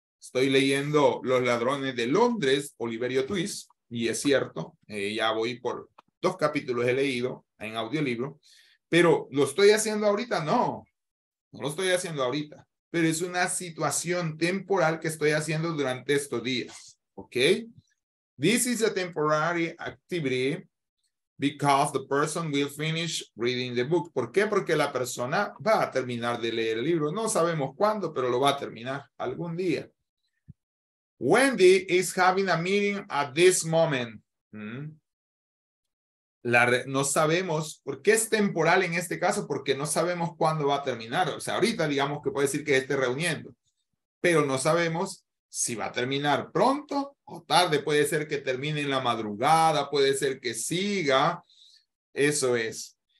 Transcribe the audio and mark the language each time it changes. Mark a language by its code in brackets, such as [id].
[es] Estoy leyendo Los Ladrones de Londres, Oliverio Twist. Y es cierto, ya voy por 2 capítulos he leído en audiolibro. Pero, ¿lo estoy haciendo ahorita? No, no lo estoy haciendo ahorita. Pero es una situación temporal que estoy haciendo durante estos días. ¿Ok? [en] This is a temporary activity because the person will finish reading the book. [es] ¿Por qué? Porque la persona va a terminar de leer el libro. No sabemos cuándo, pero lo va a terminar algún día. [en] Wendy is having a meeting at this moment. [es] No sabemos por qué es temporal en este caso, porque no sabemos cuándo va a terminar. O sea, ahorita digamos que puede decir que esté reuniendo, pero no sabemos si va a terminar pronto o tarde. Puede ser que termine en la madrugada, puede ser que siga. Eso es.